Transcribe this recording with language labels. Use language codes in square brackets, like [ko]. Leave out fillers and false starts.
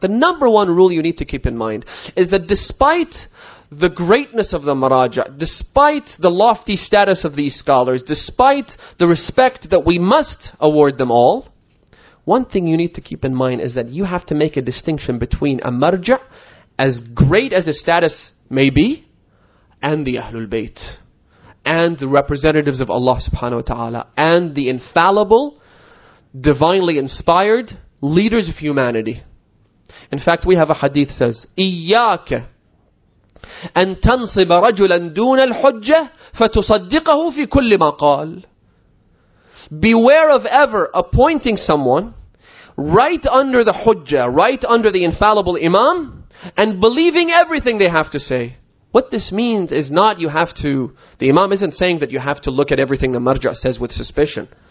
[en] The number one rule you need to keep in mind is that despite the greatness of the maraja, despite the lofty status of these scholars, despite the respect that we must award them all, one thing you need to keep in mind is that you have to make a distinction between a marja, as great as a status may be, and the Ahlul Bayt, and the representatives of Allah subhanahu wa ta'ala, and the infallible, divinely inspired leaders of humanity. In fact, we have a hadith says, [ar] إِيَّاكَ أَن تَنْصِبَ رَجُلًا دُونَ الْحُجَّةِ فَتُصَدِّقَهُ فِي كُلِّ مَا قَالَ. [en] Beware of ever appointing someone right under the hujjah, right under the infallible imam, and believing everything they have to say. What this means is not you have to, the imam isn't saying that you have to look at everything the marja says with suspicion.